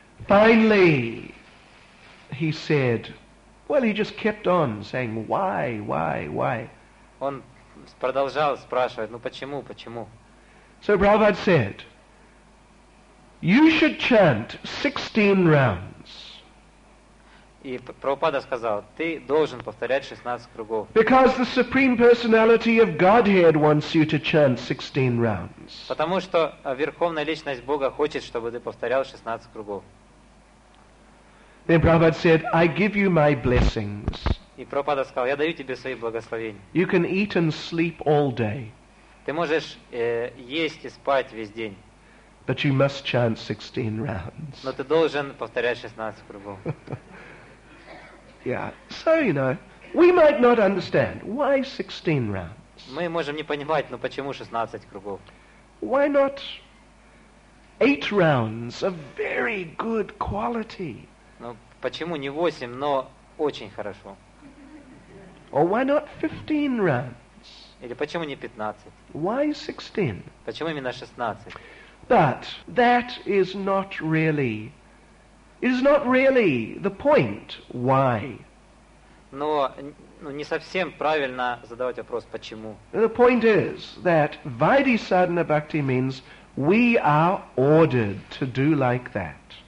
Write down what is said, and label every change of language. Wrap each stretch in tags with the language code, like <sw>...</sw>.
<en>Finally, he said, well, he just kept on saying, why?</en> <ru>Он продолжал спрашивать, ну почему, почему?</ru> <en>So Prabhupada said, you should chant 16 rounds.</en> <ru>И Прабхупада сказал, ты должен повторять 16 кругов.</ru> <en>Because the Supreme Personality of Godhead wants you to chant 16 rounds.</en> <ru>Потому что Верховная Личность Бога хочет, чтобы ты повторял 16 кругов.</ru> <en>Then Prabhupada said, I give you my blessings.</en> <ru>И Прабхупада сказал, я даю тебе свои благословения.</ru> <en>You can eat and sleep all day.</en> <ru>Ты можешь есть и спать весь день.</ru> <en>But you must chant 16 rounds.</en> <ru>Но ты должен повторять 16 кругов.</ru> <en>Yeah. So, you know, we might not understand. Why 16 rounds?</en> <ru>Мы можем не понимать, но почему 16 кругов?</ru> <en>Why not 8 rounds of very good quality?</en> <ru>Ну, почему не 8, но очень хорошо?</ru> <en>Or why not 15 rounds?</en> <ru>Или почему не 15?</ru> <en>Why 16?</en> <ru>Почему именно 16?</ru> <en>But that is not really the point. Why?</en> <ru>Но не совсем правильно задавать вопрос почему.</ru> <en>The point is that Vaidhi Sadhana Bhakti means we are ordered to do like that.</en>